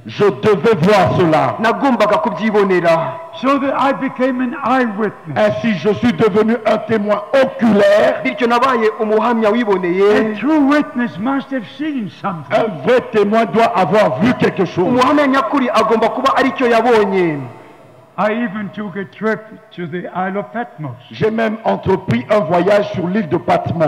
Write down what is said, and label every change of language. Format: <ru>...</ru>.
<fr>Je devais voir cela.</fr> <rw>Nagombaga kubyibonera.</rw> <en>So that I became an eyewitness.</en> <fr>Ainsi, je suis devenu un témoin oculaire.</fr> <rw>Bityo nabaye umuhamya wiboneye.</rw> <en>A true witness must have seen something.</en> <fr>Un vrai témoin doit avoir vu quelque chose.</fr> <rw>Umuhamya nyakuri agomba kuba aricyo yabonye.</rw> <en>I even took a trip to the Isle of Patmos.</en> <fr>J'ai même entrepris un voyage sur l'île de Patmos.</fr>